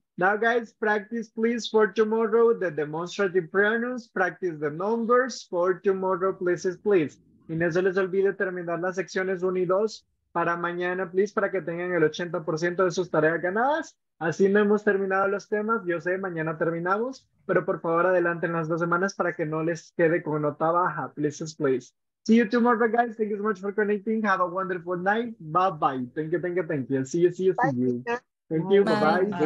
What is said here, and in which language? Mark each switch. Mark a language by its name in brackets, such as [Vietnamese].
[English] Now, guys, practice, please, for tomorrow, the demonstrative pronouns. Practice the numbers for tomorrow, please, please. [Spanish] Y no se les olvide terminar las secciones 1 y 2 para mañana, please, para que tengan el 80% de sus tareas ganadas. Así no hemos terminado los temas. Yo sé, mañana terminamos. Pero, por favor, adelanten las 2 semanas para que no les quede con nota baja. [English] Please, please. See you tomorrow, guys. Thank you so much for connecting. Have a wonderful night. Bye-bye. Thank you, thank you, thank you. See you, see you, see you. Thank you. Bye-bye.